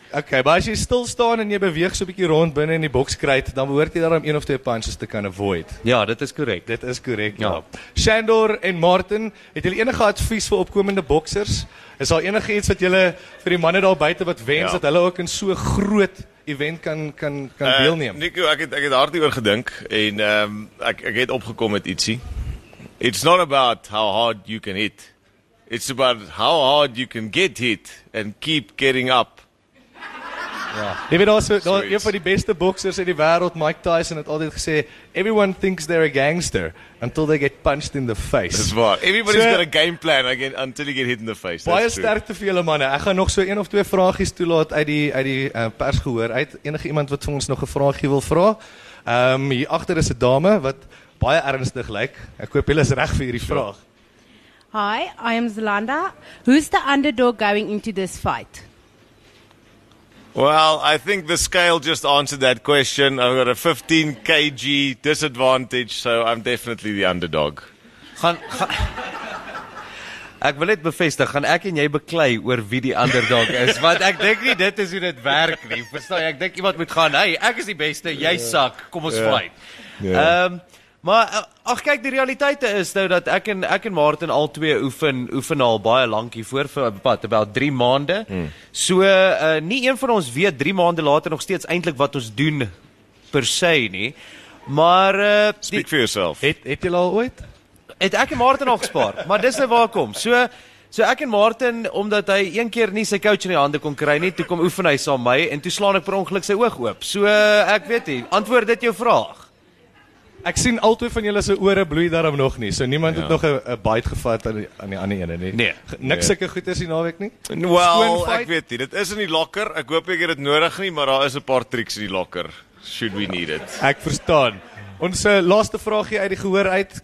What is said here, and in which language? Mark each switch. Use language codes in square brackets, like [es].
[af] Okay, maar as jy stil staan en jy beweeg so 'n bietjie rond binne in die bokskruit, dan behoort jy daarom een of twee punches te kan avoid. Ja, dit is korrek. Dit is korrek, ja. Shandor en Martin, het julle enige advies vir opkomende boksers? Is daar enige iets wat julle vir die manne daar buite wat wens dat hulle ook in so 'n groot event kan deelneem? Nico, ek het hardoor gedink en ek het opgekom met ietsie. [en] It's not about how hard you can hit. It's about how hard you can get hit and keep getting up. [af] Ja. Jy weet also, een van die beste boksers in die wêreld, Mike Tyson, het altyd gesê, [en] everyone thinks they're a gangster until they get punched in the face. [af] Dis waar. [en] Everybody's got a game plan again until you get hit in the face. [af] Baie sterkte vir julle manne. Ek gaan nog so een of twee vragies toelaat uit die pers gehoor. Uit enige iemand wat vir ons nog 'n vraagie wil vra. Hier agter is 'n dame wat baie ernstig lyk. Ek hoop julle is reg vir hierdie vraag. [en] Hi, I am Zalanda. Who's the underdog going into this fight? Well, I think the scale just answered that question. I've got a 15 kg disadvantage, so I'm definitely the underdog. [af] Ek wil net bevestig, gaan ek en jy beklei oor wie die underdog is, want ek dink nie dit is hoe dit werk nie. Verstaan jy? Ek dink iemand moet gaan, hey, ek is die beste, jy sak, kom ons fight. Maar ag kyk, die realiteit is nou dat ek en Martin al twee oefen al baie lank hiervoor vir wat about 3 maande. So nie een van ons weet 3 maande later nog steeds eintlik wat ons doen per se nie. Maar [en] speak for yourself. [af] Het jy al ooit? Het ek en Martin al gespaar, maar dis nou waar kom. So ek en Martin, omdat hy een keer nie sy coach in die hande kon kry nie, toe kom oefen hy saam my en toe slaan ek per ongeluk sy oog oop. So ek weet nie, antwoord dit jou vraag. Ek sien al twee van julle se ore bloei daarom nog nie. So niemand het nog 'n bite gevat aan die ander ene nie. Nee. Niks sulke goed is die naweek nie. Well, ek weet nie. Dit is in die locker. Ek hoop ek het dit nodig nie, maar daar is 'n paar tricks in die locker. [en] Should we need it. [af] Ek verstaan. Ons laaste vraagie uit die gehoor uit.